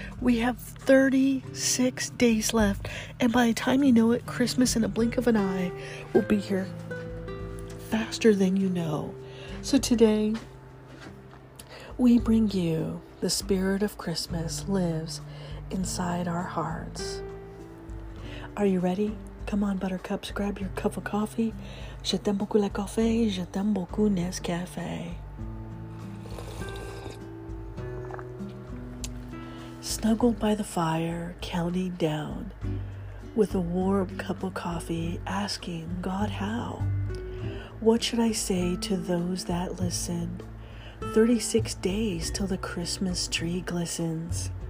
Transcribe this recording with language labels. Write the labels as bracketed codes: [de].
[en] We have 36 days left, and by the time you know it, Christmas in a blink of an eye will be here faster than you know. So today, we bring you the spirit of Christmas lives inside our hearts. Are you ready? Come on, buttercups, grab your cup of coffee. [fr] Je t'aime beaucoup le café, je t'aime beaucoup Nescafé. [en] Snuggled by the fire, counting down with a warm cup of coffee, asking God how. What should I say to those that listen? 36 days till the Christmas tree glistens.